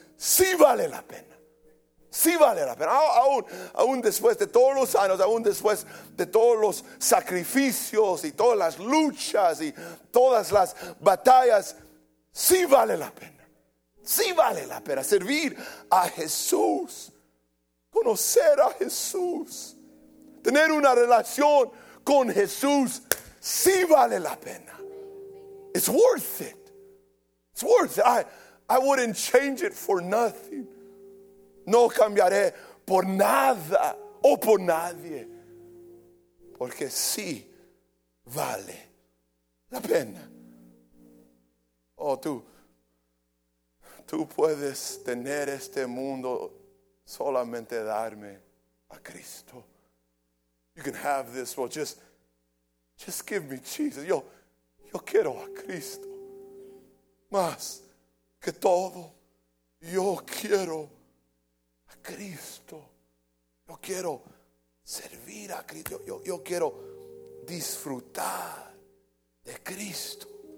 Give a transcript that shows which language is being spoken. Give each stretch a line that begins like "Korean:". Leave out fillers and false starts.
Spanish: Sí vale la pena. Sí vale la pena, aún después de todos los años, aún después de todos los sacrificios y todas las luchas y todas las batallas, sí vale la pena. Sí vale la pena servir a Jesús, conocer a Jesús, tener una relación con Jesús, sí vale la pena.
English: It's worth it. It's worth it. I wouldn't change it for nothing.
Spanish: No cambiaré por nada o por nadie, porque sí vale la pena. Oh, tú puedes tener este mundo, solamente darme a Cristo.
English: You can have this world, just give me Jesus.
Spanish: Yo quiero a Cristo más que todo. Yo quiero Cristo, yo quiero servir a Cristo, yo quiero disfrutar de Cristo.